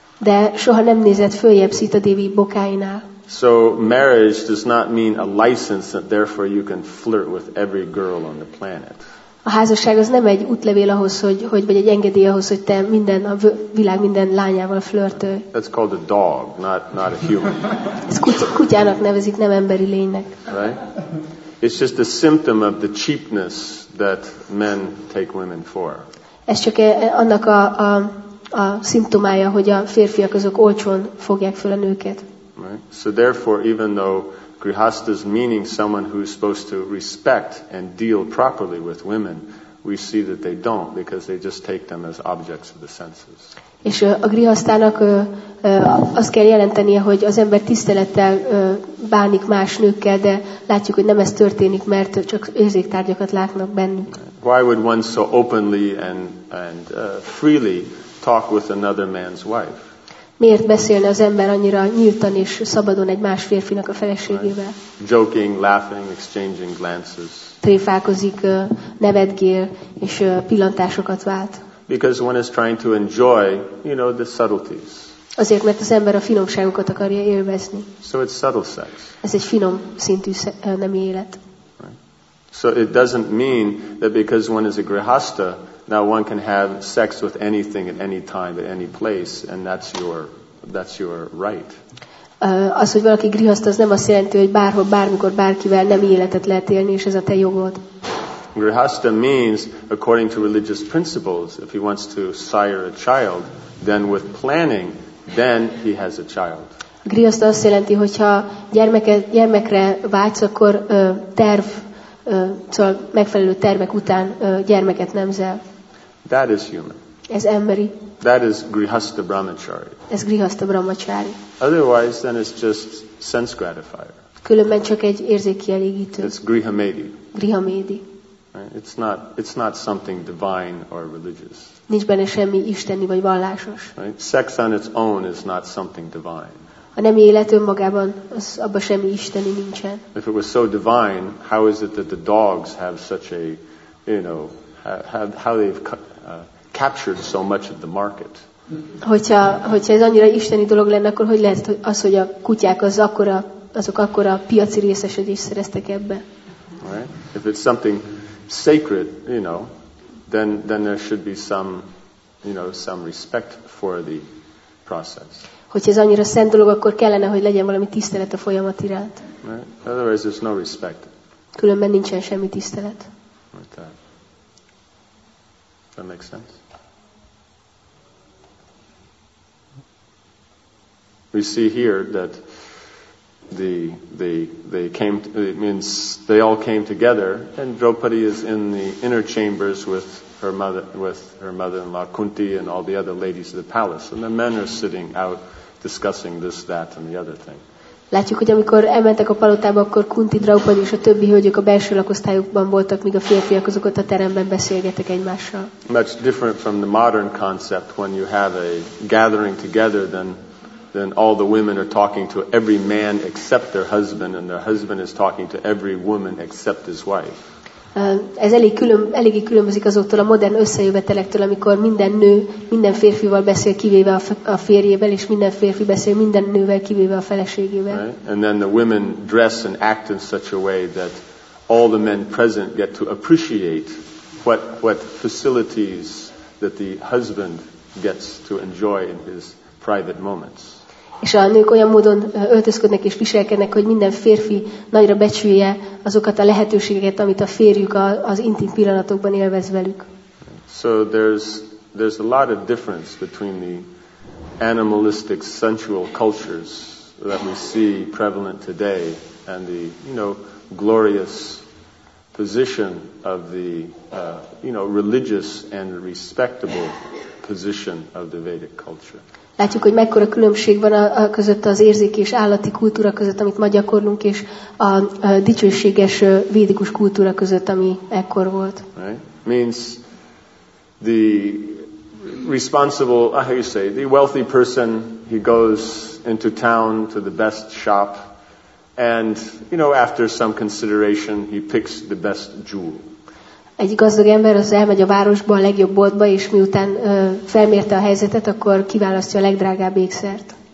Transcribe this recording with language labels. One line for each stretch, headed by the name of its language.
Hungarian: De soha nem nézett följebb Sita Devi bokáinál.
English: So marriage does not mean a license that therefore you can flirt with every girl on the planet.
Hungarian: A házasság az nem egy útlevél ahhoz, hogy vagy egy engedély ahhoz, hogy te minden a világ minden lányával flörtölj.
English: That's called a dog, not a human.
Hungarian: Ez kutyának nevezik, nem emberi lénynek.
English: Right? It's just a symptom of the cheapness that men take women for.
Hungarian: Ez csak annak a szimptomája, hogy a férfiak azok olcsón fogják föl a nőket.
English: Right? So therefore, even though grihastha's meaning someone who's supposed to respect and deal properly with women, we see that they don't, because they just take them as objects of the senses.
Hungarian: És a grihasztának az kell jelentenie, hogy az ember tisztelettel bánik más nőkkel, de látjuk, hogy nem ez történik, mert csak érzéktárgyakat látnak bennük.
English: Why would one so openly and freely talk with another man's wife?
Hungarian: Miért beszélne az ember annyira nyíltan és szabadon egy más férfinak a feleségével?
English: Right. Joking, laughing, exchanging glances.
Hungarian: Tréfálkozik, nevetgél és pillantásokat vált.
English: Because one is trying to enjoy, you know, the subtleties.
Hungarian: Azért, mert az ember a finomságokat akarja élvezni.
English: So it's subtle sex.
Hungarian: Ez egy finom szintű nemi élet.
English: Right. So it doesn't mean that because one is a grihastha, now one can have sex with anything at any time, at any place, and that's your right.
Hungarian: Az, hogy valaki grihaszta, az nem azt jelenti, hogy bárhol, bármikor, bárkivel nem életet lehet élni, és ez a te jogod.
English: Grihaszta means, according to religious principles, if he wants to sire a child, then with planning, then he has a child.
Hungarian: Grihaszta azt jelenti, hogyha gyermekre vágysz, akkor terv. Szóval megfelelő termek után gyermeket nemzel.
English: That is human.
Hungarian: Ez emberi.
English: That is grihastha brahmachari.
Hungarian: Ez grihastha brahmachari.
English: Otherwise, then it's just sense gratifier.
Hungarian: Különben csak egy érzékkielégítő.
English: It's grihamedi.
Hungarian: Grihamedi.
English: It's not something divine or religious.
Hungarian: Nincs benne semmi isteni vagy vallásos.
English: Right? Sex on its own is not something divine.
Hungarian: A nemi élet önmagában az abba semmi isteni nincsen.
English: If it was so divine, how is it that the dogs have such a, you know, how they've captured so much of the market?
Hungarian: Hogyha ez annyira isteni dolog lenne, akkor hogy lehet az, hogy a kutyák azok akkora piaci részesedést szereztek ebbe?
English: Right? If it's something sacred, you know, then there should be some, you know, some respect for the process.
Hungarian: Hogyha ez annyira szent dolog, akkor kellene, hogy legyen valami tisztelet a folyamat iránt.
English: Right. Otherwise, there's no respect.
Hungarian: Különben nincsen semmi tisztelet.
English: Right. That makes sense. We see here that they all came together, and Draupadi is in the inner chambers with her mother-in-law Kunti and all the other ladies of the palace, and the men are sitting out discussing this, that, and the other thing.
Hungarian: Látjuk, hogy amikor elmentek a palotába, akkor Kunti, Draupadi és a többi hölgyek a belső lakosztályukban voltak, míg a férfiak azok ott a teremben beszélgettek egymással.
English: Much different from the modern concept when you have a gathering together, then all the women are talking to every man except their husband, and their husband is talking to every woman except his wife.
Hungarian: Ez eléggé különbözik azoktól a modern összejövetelektől, amikor minden nő minden férfival beszél, kivéve a férjével, és minden férfi beszél minden nővel, kivéve a feleségével.
English: Right? And then the women dress and act in such a way that all the men present get to appreciate what facilities that the husband gets to enjoy in his private moments.
Hungarian: És a nők olyan módon öltözködnek és viselkednek, hogy minden férfi nagyra becsülje azokat a lehetőségeket, amit a férjük az intim pillanatokban élvez velük.
English: So there's a lot of difference between the animalistic sensual cultures that we see prevalent today and the, you know, glorious position of the, you know, religious and respectable position of the Vedic culture.
Hungarian: Látjuk, hogy mekkora különbség van a között az érzéki és állati kultúra között, amit ma gyakorlunk, és a dicsőséges védikus kultúra között, ami ekkor volt.
English: Right? Means the responsible, how you say, the wealthy person, he goes into town to the best shop, and, you know, after some consideration, he picks the best jewel.
Hungarian: Egy gazdag ember az elmegy a városba, a legjobb boltba, és miután felmérte a helyzetet, akkor kiválasztja a legdrágább ékszert.